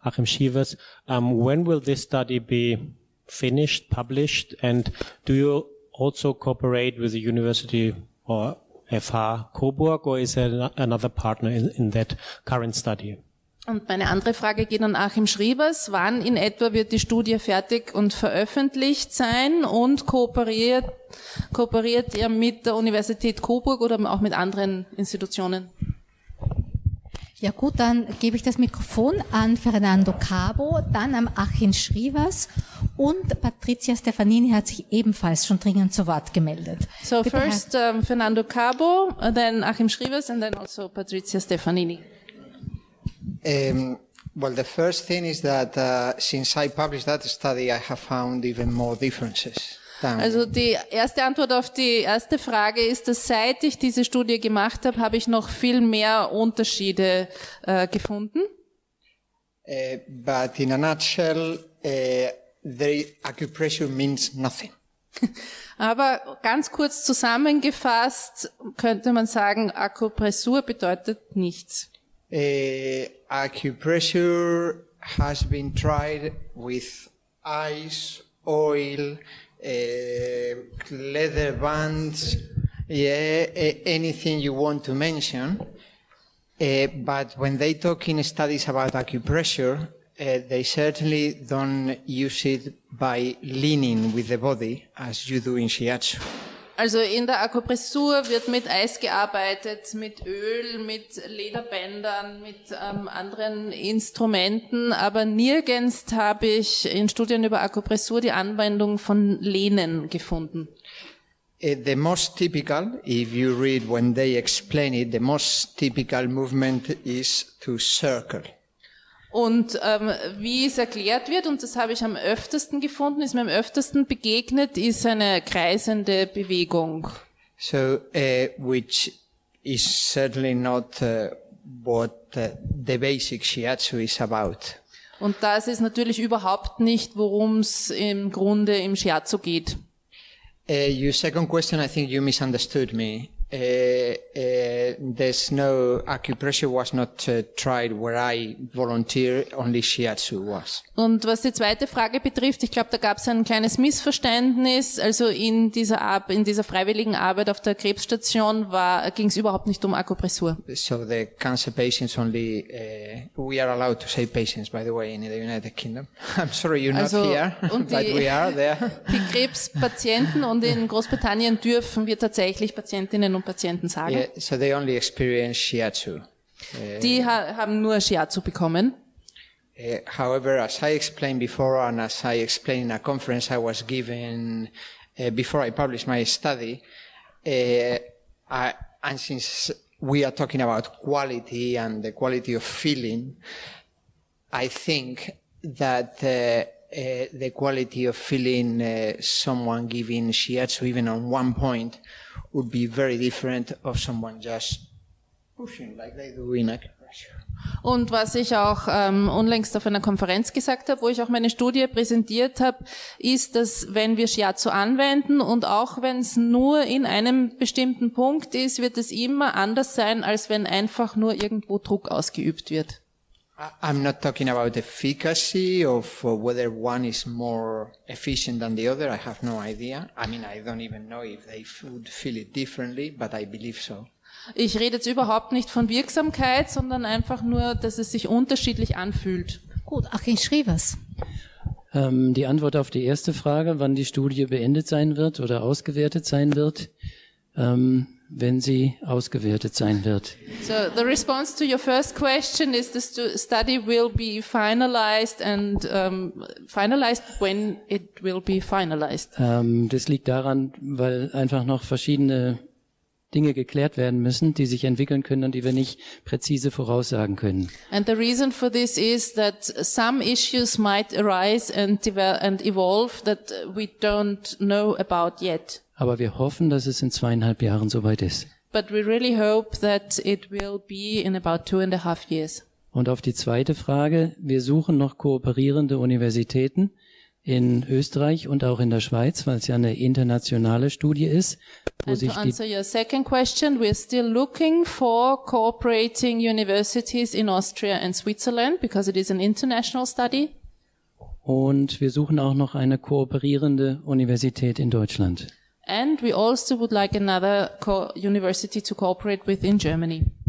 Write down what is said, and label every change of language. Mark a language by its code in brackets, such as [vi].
[en] Achim Schievers, when will this study be finished, published, and do you also cooperate with the university or FH Coburg, or is there another partner in that current study? [de] Und meine andere Frage geht an Achim Schriebers. Wann in etwa wird die Studie fertig und veröffentlicht sein, und kooperiert ihr mit der Universität Coburg oder auch mit anderen Institutionen? Ja gut, dann gebe ich das Mikrofon an Fernando Cabo, dann an Achim Schriebers, und Patricia Stefanini hat sich ebenfalls schon dringend zu Wort gemeldet. So bitte, [en] first Fernando Cabo, then Achim Schriebers, and then also Patricia Stefanini. Well, the first thing is that since I published that study, I have found even more differences. [de] Also die erste Antwort auf die erste Frage ist, dass seit ich diese Studie gemacht habe, habe ich noch viel mehr Unterschiede gefunden. [en] But in a nutshell, the acupressure means nothing. [de] Aber ganz kurz zusammengefasst könnte man sagen, Akupressur bedeutet nichts. [en] Acupressure has been tried with ice, oil, leather bands, anything you want to mention. But when they talk in studies about acupressure, they certainly don't use it by leaning with the body as you do in shiatsu. [de] Also in der Akupressur wird mit Eis gearbeitet, mit Öl, mit Lederbändern, mit anderen Instrumenten, aber nirgends habe ich in Studien über Akupressur die Anwendung von Lehnen gefunden. [en] The most typical, if you read when they explain it, the most typical movement is to circle. [de] Und wie es erklärt wird, und das habe ich am öftesten gefunden, ist mir am öftesten begegnet, ist eine kreisende Bewegung. [en] So, which is certainly not what the basic shiatsu is about. [de] Und das ist natürlich überhaupt nicht, worum es im Grunde im Shiatsu geht. [en] Your second question, I think you misunderstood me. There's no acupressure was not tried where I volunteer, only shiatsu was. [de] Und was die zweite Frage betrifft, ich glaube, da gab es ein kleines Missverständnis. Also in dieser freiwilligen Arbeit auf der Krebsstation ging es überhaupt nicht um Akupressur. [en] So the cancer patients only. We are allowed to say patients, by the way, in the United Kingdom. I'm sorry, you're also, not here, [de] und [en] but we are there. [de] Die Krebspatienten und in Großbritannien dürfen wir tatsächlich Patientinnen und Patienten sagen. [en] Yeah, so they only experience shiatsu. [de] Die haben nur Shiatsu bekommen. [en] However, as I explained before and as I explained in a conference I was given before I published my study, and since we are talking about quality and the quality of feeling, I think that the quality of feeling someone giving shiatsu even on one point would be very different of someone just pushing like they do in acupressure. [de] Und was ich auch unlängst auf einer Konferenz gesagt habe, wo ich auch meine Studie präsentiert habe, ist, dass wenn wir Shiatsu anwenden und auch wenn es nur in einem bestimmten Punkt ist, wird es immer anders sein, als wenn einfach nur irgendwo Druck ausgeübt wird. [en] I'm not talking about efficacy of whether one is more efficient than the other. I have no idea. I mean, I don't even know if they would feel it differently, but I believe so. [de] Ich rede jetzt überhaupt nicht von Wirksamkeit, sondern einfach nur, dass es sich unterschiedlich anfühlt. Gut, Achim Schrievers. Die Antwort auf die erste Frage, wann die Studie beendet sein wird oder ausgewertet sein wird, wenn sie ausgewertet sein wird. [en] So, the response to your first question is the study will be finalized and finalized when it will be finalized. [de] Das liegt daran, weil einfach noch verschiedene Dinge geklärt werden müssen, die sich entwickeln können und die wir nicht präzise voraussagen können. [en] And the reason for this is that some issues might arise and evolve that we don't know about yet. [de] Aber wir hoffen, dass es in 2,5 Jahren soweit ist. [en] But we really hope that it will be in about 2.5 years. [de] Und auf die zweite Frage, wir suchen noch kooperierende Universitäten in Österreich und auch in der Schweiz, weil es ja eine internationale Studie ist. [en] And to answer your second question, we're still looking for cooperating universities in Austria and Switzerland, because it is an international study. [de] Und wir suchen auch noch eine kooperierende Universität in Deutschland. [en] And we also would like another university to cooperate with in Germany.